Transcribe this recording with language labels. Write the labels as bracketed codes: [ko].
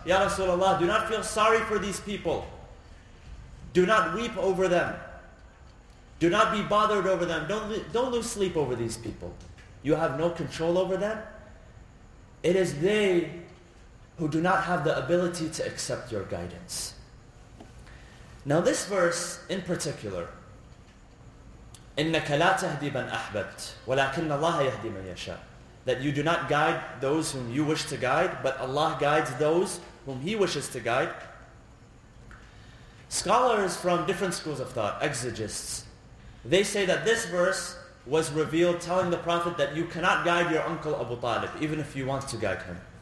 [en] Ya Rasulullah, do not feel sorry for these people. Do not weep over them. Do not be bothered over them. Don't lose sleep over these people. You have no control over them. It is they who do not have the ability to accept your guidance. Now this verse in particular, [ar] إِنَّكَ لَا تَهْدِي مَنْ أَحْبَبْتْ وَلَكِنَّ اللَّهَ يَهْدِي مَنْ يَشَاءُ. [en] That you do not guide those whom you wish to guide, but Allah guides those whom He wishes to guide. Scholars from different schools of thought, exegetists, they say that this verse was revealed telling the Prophet that you cannot guide your uncle Abu Talib, even if you want to guide him.